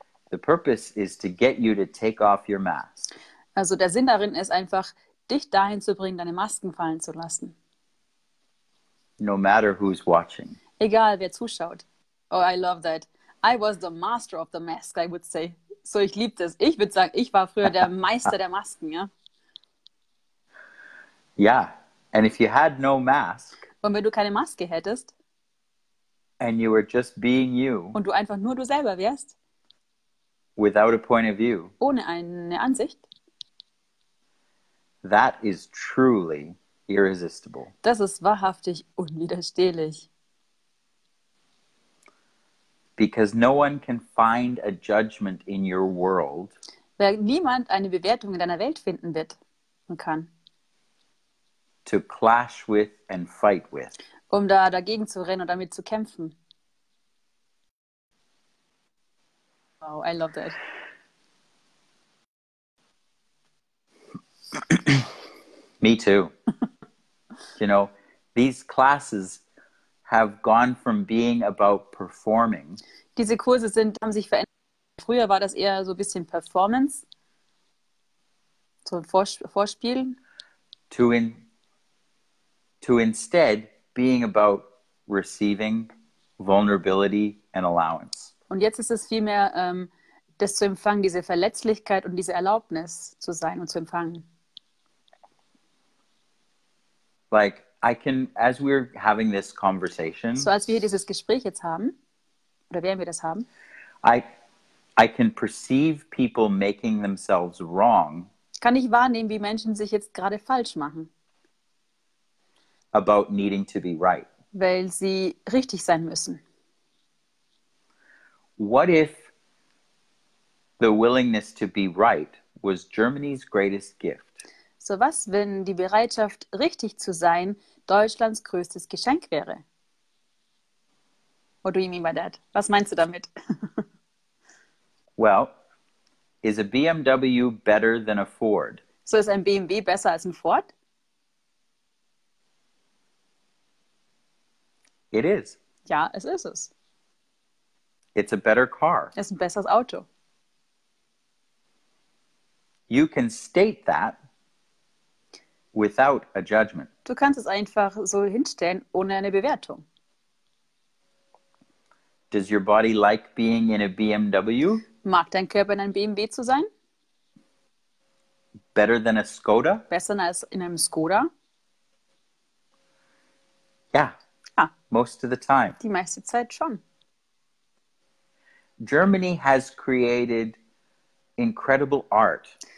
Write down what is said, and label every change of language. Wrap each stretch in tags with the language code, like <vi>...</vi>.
<en>The purpose is to get you to take off your mask.</en> <de>Also der Sinn darin ist einfach, dich dahin zu bringen, deine Masken fallen zu lassen.</de> <en>No matter who's watching.</en> <de>Egal, wer zuschaut.</de> <en>Oh, I love that. I was the master of the mask, I would say.</en> <de>So, ich liebe das. Ich würde sagen, ich war früher der Meister der Masken, ja.</de> <en>Yeah, and if you had no mask,</en> <de>und wenn du keine Maske hättest,</de> <en>and you were just being you,</en> <de>und du einfach nur du selber wärst,</de> <en>without a point of view,</en> <de>ohne eine Ansicht,</de> <en>that is truly irresistible.</en> <de>Das ist wahrhaftig unwiderstehlich.</de> <en>Because no one can find a judgment in your world.</en> <de>Weil niemand eine Bewertung in deiner Welt finden wird und kann.</de> <en>To clash with and fight with.</en> <de>Um da dagegen zu rennen und damit zu kämpfen.</de> <en>Wow, I love that. Me too. You know, these classes have gone from being about performing.</en> <de>Diese Kurse sind, haben sich verändert. Früher war das eher so ein bisschen Performance, so ein Vorspiel.</de> <en>To instead being about receiving vulnerability and allowance.</en> <de>Und jetzt ist es vielmehr, das zu empfangen, diese Verletzlichkeit und diese Erlaubnis zu sein und zu empfangen.</de> <en>Like, I can, as we're having this conversation.</en> <de>So als wir hier dieses Gespräch jetzt haben, oder werden wir das haben?</de> <en>I can perceive people making themselves wrong.</en> <de>Kann ich wahrnehmen, wie Menschen sich jetzt gerade falsch machen?</de> <en>About needing to be right.</en> <de>Weil sie richtig sein müssen.</de> <en>What if the willingness to be right was Germany's greatest gift?</en> <de>So was, wenn die Bereitschaft, richtig zu sein, Deutschlands größtes Geschenk wäre?</de> <en>What do you mean by that?</en> <de>Was meinst du damit?</de> <en>Well, is a BMW better than a Ford?</en> <de>So ist ein BMW besser als ein Ford?</de> <en>It is.</en> <de>Ja, es ist es.</de> <en>It's a better car.</en> <de>Es ist ein besseres Auto.</de> <en>You can state that without a judgment.</en> <de>Du kannst es einfach so hinstellen, ohne eine Bewertung.</de> <en>Does your body like being in a BMW?</en> <de>Mag dein Körper in einem BMW zu sein?</de> <en>Better than a Skoda?</en> <de>Besser als in einem Skoda?</de> <en>Yeah. Ah. Most of the time.</en> <de>Die meiste Zeit schon.</de> <en>Germany has created incredible art.</en>